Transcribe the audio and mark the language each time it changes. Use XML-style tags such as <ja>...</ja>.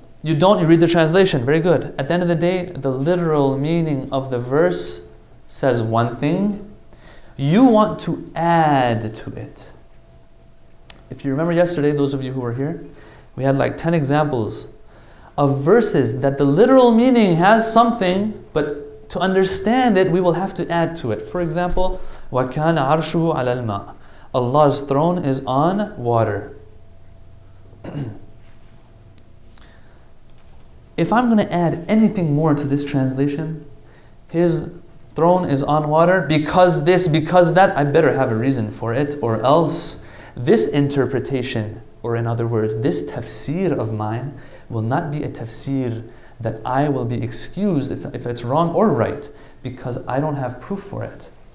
<en>You don't, you read the translation, very good. At the end of the day, the literal meaning of the verse says one thing. You want to add to it. If you remember yesterday, those of you who were here, we had like 10 examples of verses that the literal meaning has something, but to understand it, we will have to add to it. For example,</en> <ar>وَكَانَ عَرْشُهُ عَلَى الْمَاءِ.</ar> <en>Allah's throne is on water. If I'm going to add anything more to this translation, His throne is on water, because this, because that, I better have a reason for it, or else this interpretation, or in other words, this tafsir of mine, will not be a tafsir that I will be excused if it's wrong or right, because I don't have proof for it.</en>